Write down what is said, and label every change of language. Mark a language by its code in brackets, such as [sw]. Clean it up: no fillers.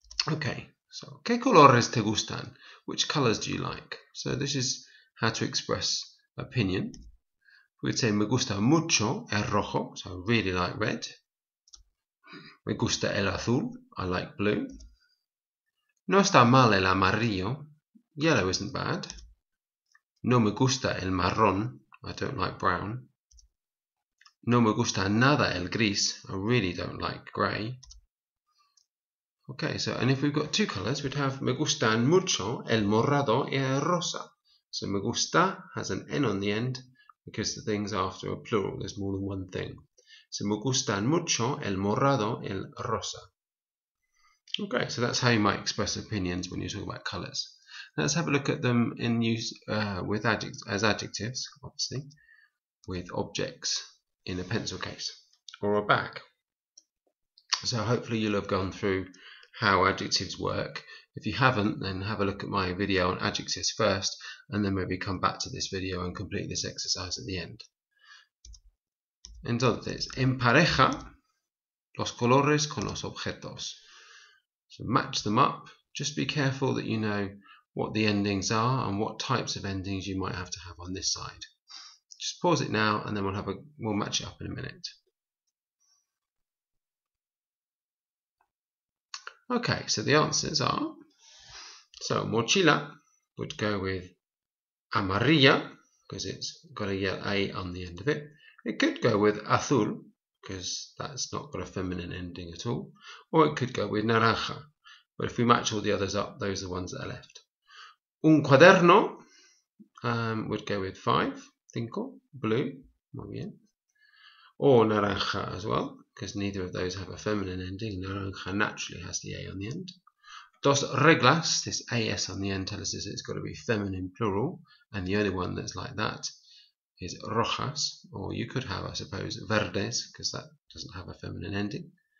[es] Okay, so ¿qué colores te gustan? [en] Which colors do you like? So this is how to express opinion. We'd say [es] me gusta mucho el rojo, [en] so I really like red. [es] Me gusta el azul, [en] I like blue. [es] No está mal el amarillo, [en] yellow isn't bad. [es] No me gusta el marrón, [en] I don't like brown. [es] No me gusta nada el gris, [en] I really don't like grey. Okay, so and if we've got two colours, we'd have [es] me gustan mucho el morado y el rosa. [en] So me gusta has an N on the end because the things after are plural, there's more than one thing. [es] So me gustan mucho el morado y el rosa. [en] Okay, so that's how you might express opinions when you talk about colours. Let's have a look at them in use with as adjectives, obviously, with objects in a pencil case or a bag. So hopefully you'll have gone through how adjectives work. If you haven't, then have a look at my video on adjectives first, and then maybe come back to this video and complete this exercise at the end. [es] Entonces, empareja los colores con los objetos. [en] So match them up. Just be careful that you know what the endings are and what types of endings you might have to have on this side. Just pause it now and then we'll match it up in a minute. Okay, so the answers are, so mochila would go with amarilla because it's got a yellow A on the end of it. It could go with azul because that's not got a feminine ending at all. Or it could go with naranja. But if we match all the others up, those are the ones that are left. [es] Un cuaderno [en] would go with five, cinco, blue, [es] muy bien. [en] Or naranja as well, because neither of those have a feminine ending. Naranja naturally has the A on the end. [es] Dos reglas, [en] this AS on the end tells us it's got to be feminine plural, and the only one that's like that is rojas, or you could have, I suppose, verdes, because that doesn't have a feminine ending.